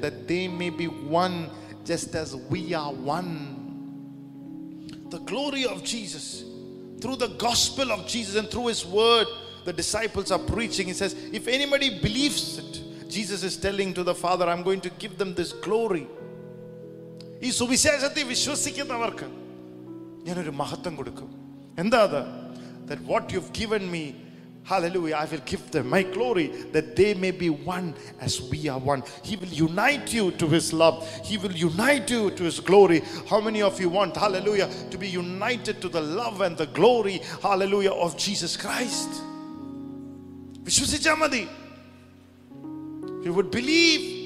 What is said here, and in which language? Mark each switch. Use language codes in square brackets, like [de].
[en] That they may be one just as we are one. The glory of Jesus, through the gospel of Jesus and through his word, the disciples are preaching. He says, if anybody believes it, Jesus is telling to the Father, I'm going to give them this glory. [ml] ഈ സുവിശേഷത്തെ വിശ്വസിക്കുന്നവർക്ക് ഞാൻ ഒരു മഹത്വം കൊടുക്കും. എന്താ അത്? [en] That what you've given me, hallelujah, I will give them my glory, that they may be one as we are one. He will unite you to his love. He will unite you to his glory. How many of you want, hallelujah, to be united to the love and the glory, hallelujah, of Jesus Christ? [ml] Vishwasicha madi. [en] You would believe.